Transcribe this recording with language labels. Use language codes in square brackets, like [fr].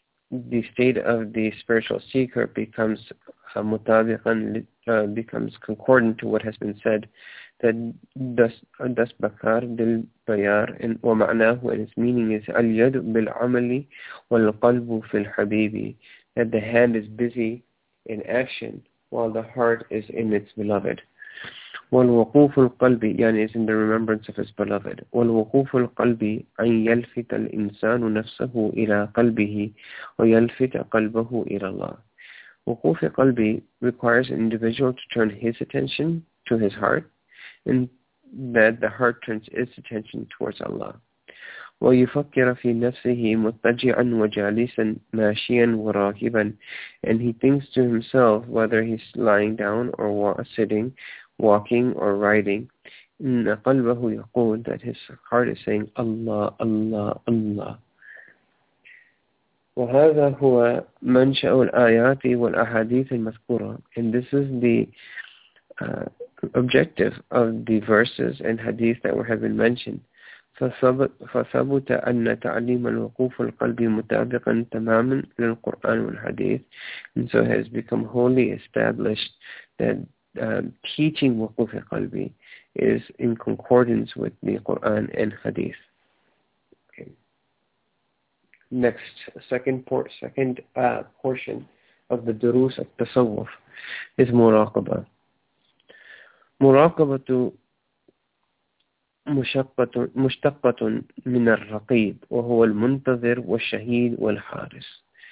[en] the state of the spiritual seeker becomes mutabiqan, becomes concordant to what has been said, that [fa] das bakar dil bayar, [en] and [ar] wa ma'nahu, [en] and its meaning is [ar] al yad bil amali wal qalbu fil habibi, [en] that the hand is busy in action while the heart is in its beloved. [ar] والوقوف القلب يعني [en] is in the remembrance of his beloved. [ar] والوقوف القلب أن يلفت الإنسان نفسه إلى قلبه ويلفت قلبه إلى الله. [en] وقوف القلب requires an individual to turn his attention to his heart and that the heart turns its attention towards Allah. [ar] ويفكر في نفسه متجعا وجالسا ماشيا وراكبا. [en] And he thinks to himself, whether he's lying down or sitting, walking or riding, [ar] إن قلبه يقول, [en] that his heart is saying Allah, Allah, Allah. [ar] وهذا هو منشأ الآيات والأحاديث المذكورة. [en] And this is the objective of the verses and hadith that have been mentioned. [ar] فثبت أن تعليم الوقوف القلب مطابقا تماما للقرآن والحديث. [en] And so it has become wholly established that teaching وقوف القلب is in concordance with the Quran and Hadith. Next, second portion of the Durus of Tasawwuf is Muraqaba. [ar] Muraqaba مشتقة من الرقيب وهو المنتظر والشهيد والحارس.